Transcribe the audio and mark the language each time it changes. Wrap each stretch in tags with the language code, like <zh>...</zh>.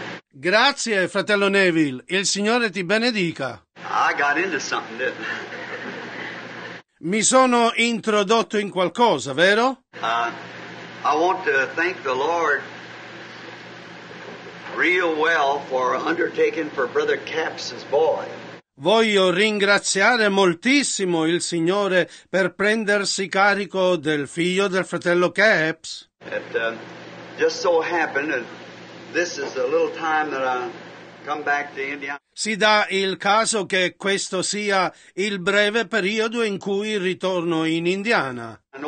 <it>Grazie, fratello Neville. Il Signore ti benedica.</it> <en>I got into something, didn't I?</en> <it>Mi sono introdotto in qualcosa, vero?</it> <en>I want to thank the Lord real well for undertaking for Brother Capps's boy.</en> <it>Voglio ringraziare moltissimo il Signore per prendersi carico del figlio del fratello Capps.</it> <en>It just so happened that this is a little time that I come back to Indiana.</en> <it>Si dà il caso che questo sia il breve periodo in cui ritorno in Indiana.</it>